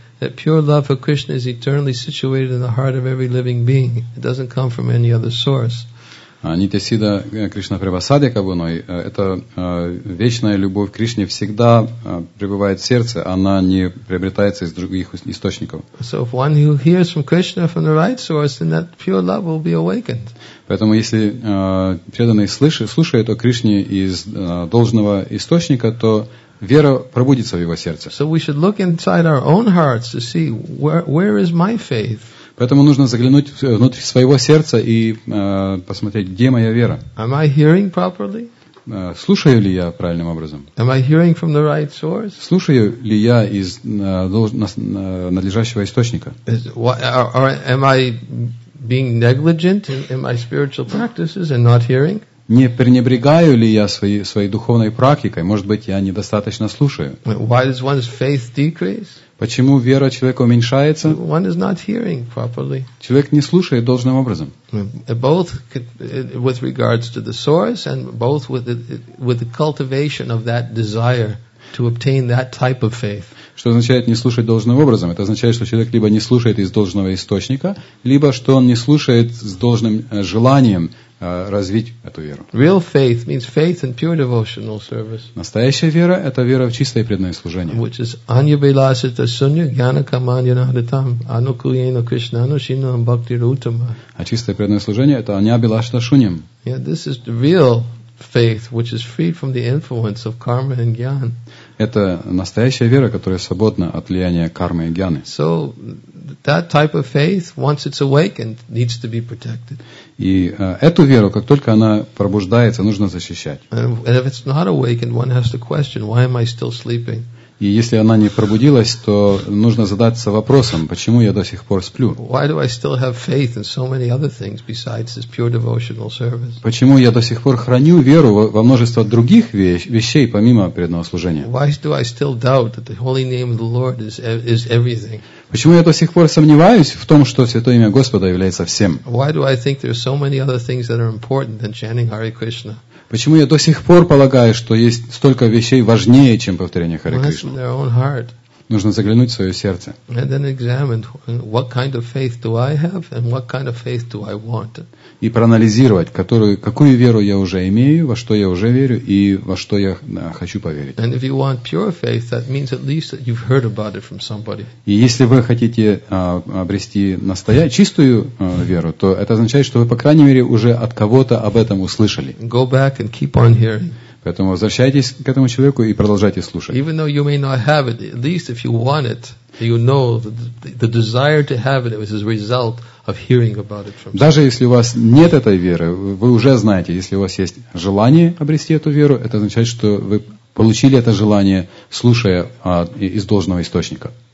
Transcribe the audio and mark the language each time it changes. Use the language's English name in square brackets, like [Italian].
[English] That pure love for Krishna is eternally situated in the heart of every living being. It doesn't come from any other source. [Sanskrit] Нитя Сида Кришна Превасадья Кабуной, [Russian] это вечная любовь к Кришне всегда пребывает в сердце, она не приобретается из других источников. [English] So if one who hears from Krishna from the right source, then that pure love will be awakened. [Russian] Поэтому если преданный слушает о Кришне из должного источника, то вера пробудится в его сердце. [English] So we should look inside our own hearts to see where is my faith. [Russian] Поэтому нужно заглянуть внутрь своего сердца и посмотреть, где моя вера. [English] Am I hearing properly? [Russian] Слушаю ли я правильным образом? [English] Am I hearing from the right source? [Russian] Слушаю ли я из надлежащего источника? [English] Am I being negligent in my spiritual practices and not hearing? [Russian] Не пренебрегаю ли я своей духовной практикой? Может быть, я недостаточно слушаю? [English] Why does one's faith decrease? [Russian] Почему вера человека уменьшается? [English] One is not hearing properly. [Russian] Человек не слушает должным образом. [English] Both with regards to the source and both with the cultivation of that desire to obtain that type of faith. [Russian] Что означает не слушать должным образом? Это означает, что человек либо не слушает из должного источника, либо что он не слушает с должным желанием развить эту веру. [English] Real faith means faith in pure devotional service. [Russian] Настоящая вера – это вера в чистое преданное служение. [English] Which is [Sanskrit] anyabhilasita sunya jnana kamanya naditam anukuyena krishna anushinam bhakti rutama. [Russian] А чистое преданное служение – это [Sanskrit] anyabhilasita shunyam. [English] Yeah, this is real faith, which is freed from the influence of karma and jnana. [Russian] Это настоящая вера, которая свободна от влияния кармы и гьяны. [English] So that type of faith, once it's awakened, needs to be protected. [Russian] И эту веру, как только она пробуждается, нужно защищать. [English] And if it's not awakened, one has to question, why am I still sleeping? [Russian] И если она не пробудилась, то нужно задаться вопросом, почему я до сих пор сплю? [English] Why do I still have faith in so many other things besides this pure devotional service? [Russian] Почему я до сих пор храню веру во множество других вещей, помимо преданного служения? [English] Why do I still doubt that the holy name of the Lord is everything? [Russian] Почему я до сих пор сомневаюсь в том, что Святое Имя Господа является всем? [English] Why do I think there are so many other things that are important than chanting Hare Krishna? [Russian] Почему я до сих пор полагаю, что есть столько вещей важнее, чем повторение Харе Кришна? Нужно заглянуть в свое сердце. [English] And then examine what kind of faith do I have and what kind of faith do I want. [Russian] И проанализировать, какую веру я уже имею, во что я уже верю и во что я хочу поверить. [English] And if you want pure faith, that means at least that you've heard about it from somebody. [Russian] И если вы хотите обрести чистую веру, то это означает, что вы по крайней мере уже от кого-то об этом услышали. [English] Go back and keep on hearing. [Russian] Поэтому возвращайтесь к этому человеку и продолжайте слушать. [English] Even though you may not have it, at least if you want it, you know the desire to have it is a result of hearing about it from. [Russian] Даже если у вас нет этой веры, вы уже знаете, если у вас есть желание обрести эту веру, это означает, что вы получили это желание, слушая из должного источника.